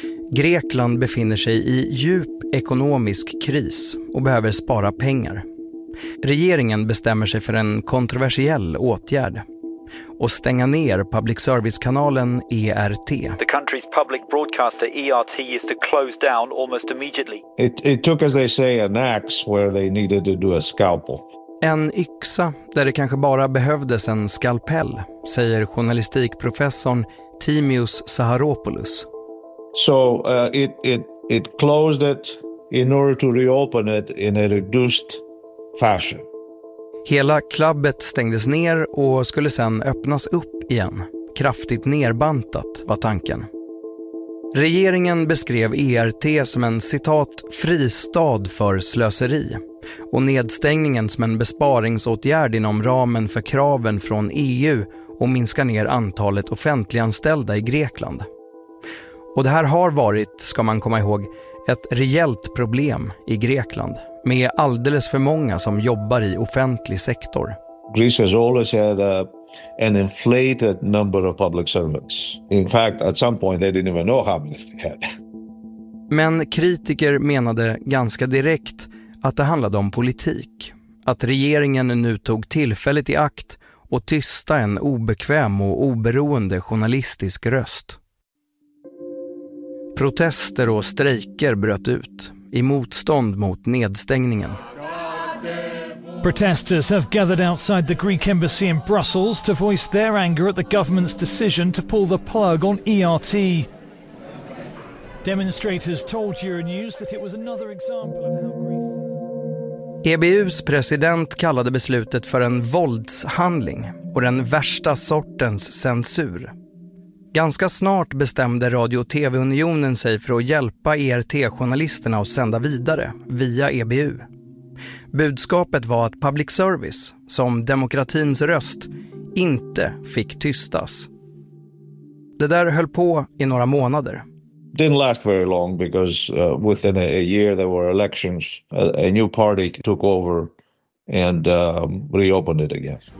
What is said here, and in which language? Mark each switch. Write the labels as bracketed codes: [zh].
[sv] Grekland befinner sig i djup ekonomisk kris och behöver spara pengar. Regeringen bestämmer sig för en kontroversiell åtgärd och stänga ner public service-kanalen ERT. [en] The country's public broadcaster ERT is to close down almost immediately. It took, as they say, an axe where they needed to do a scalpel. [sv] En yxa där det kanske bara behövdes en skalpell, säger journalistikprofessorn Timios Saharopoulos. [en] So it closed it in order to reopen it in a reduced fashion. [sv] Hela klubbet stängdes ner och skulle sen öppnas upp igen. Kraftigt nerbantat var tanken. Regeringen beskrev ERT som en citat fristad för slöseri och nedstängningen som en besparingsåtgärd inom ramen för kraven från EU och minska ner antalet offentliganställda i Grekland. Och det här har varit, ska man komma ihåg, ett rejält problem i Grekland med alldeles för många som jobbar i offentlig sektor. [en] Greece has always had an inflated number of public servants. In fact, at some point they didn't even know how many they had. [sv] Men kritiker menade ganska direkt att det handlade om politik. Att regeringen nu tog tillfället i akt och tysta en obekväm och oberoende journalistisk röst. Protester och strejker bröt ut i motstånd mot nedstängningen. [en] Protesters have gathered outside the Greek embassy in Brussels to voice their anger at the government's decision to pull the plug on ERT. Demonstrators told Euronews that it was another example of how Greece... [sv] EBUs president kallade beslutet för en våldshandling och den värsta sortens censur. Ganska snart bestämde Radio- och TV-unionen sig för att hjälpa ERT-journalisterna att sända vidare via EBU. Budskapet var att public service, som demokratins röst, inte fick tystas. Det där höll på i några månader. [en] Didn't last very long because within a year there were elections. A new party took over and reopened it again.